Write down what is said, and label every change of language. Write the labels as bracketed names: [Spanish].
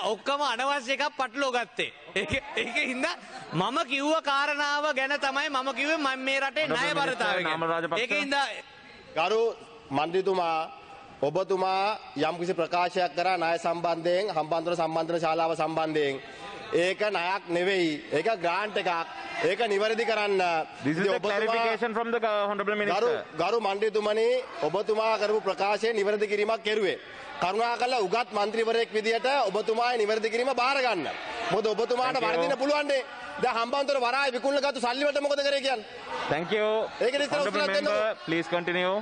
[Sinhala] ඔක්කොම අනවශ්‍ය එකක් පටලෝ ගත්තේ. ඒකේ ඉඳා මම කිව්ව කාරණාව ගැන තමයි මම කිව්වේ මම මේ රටේ ණය බලතාවය ගැන. ඒකේ ඉඳා ගරු මන්ත්‍රීතුමා ඔබතුමා යම්කිසි ප්‍රකාශයක් කරා ණය සම්බන්ධයෙන් හම්බන්තොට සම්බන්ධන ශාලාව සම්බන්ධයෙන්. ඒක ණයක් නෙවෙයි. ඒක ග්‍රාන්ට් එකක්. ඒක නිවැරදි කරන්න. [English] This is a clarification from the honorable minister. [Sinhala] ගරු මන්ත්‍රීතුමනි ඔබතුමා කරපු ප්‍රකාශය නිවැරදි කිරීමක් කෙරුවේ. කරුණාකරලා උගත් මන්ත්‍රීවරයෙක් විදියට ඔබතුමායි නිවැරදි කිරීම බාර ගන්න. මොකද ඔබතුමාට වරදින්න පුළුවන් නේ. දැන් හම්බන්තොට වරාය විකුණන ගත්ත සල්ලි වලට මොකද කරේ කියන්නේ? [English] Thank you. [Sinhala] ඒක නිසා උත්තර දෙන්න. [English] Please continue.